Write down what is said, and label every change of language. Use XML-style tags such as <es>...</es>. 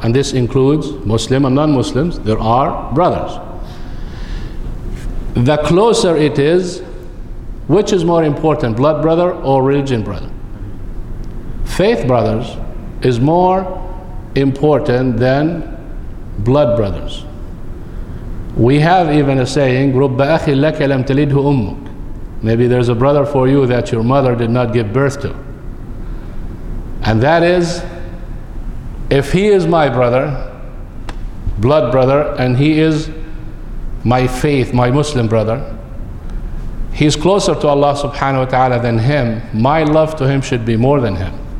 <en>And this includes Muslim and non-Muslims. There are brothers. The closer it is, which is more important, blood brother or religion brother? Faith brothers is more important than blood brothers. We have even a saying,</en> <ar>رُبَّ أَخِ لَكَ لَمْ تَلِدْهُ أُمُّكَ.</ar> <en>Maybe there's a brother for you that your mother did not give birth to. And that is, if he is my brother, blood brother, and he is my faith, my Muslim brother, he's closer to Allah subhanahu wa ta'ala than him, my love to him should be more than him.</en>